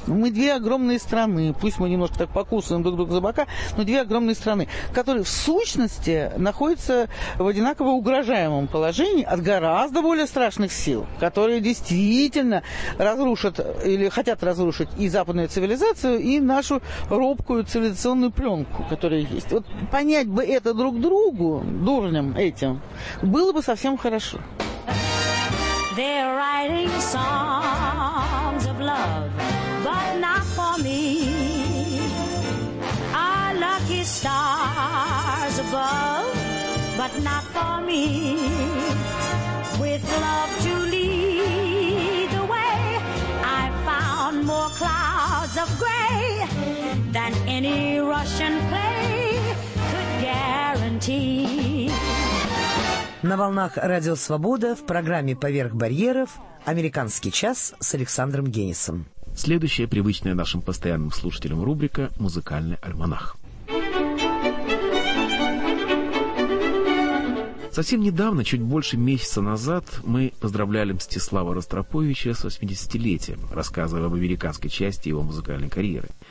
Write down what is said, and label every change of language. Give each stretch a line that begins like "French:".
Russian: Мы две огромные страны, пусть мы немножко так покусываем друг друга за бока, но две огромные страны, которые в сущности находятся в одинаково угрожаемом положении от гораздо более страшных сил, которые действительно разрушат или хотят разрушить и западную цивилизацию, и нашу робкую цивилизационную пленку, которая есть. Вот понять бы это друг другу, дурням этим, было бы совсем хорошо.
English: They're writing songs of love, but not for me. Our lucky stars above, but not for me. With love to lead the way, I found more clouds of gray than any Russian play could guarantee.
Russian: На волнах Радио Свобода в программе «Поверх барьеров» «Американский час» с Александром Генисом. Следующая привычная нашим постоянным слушателям рубрика «Музыкальный альманах». Совсем недавно, чуть больше месяца назад, мы поздравляли Мстислава Ростроповича с 80-летием, рассказывая об американской части его музыкальной карьеры.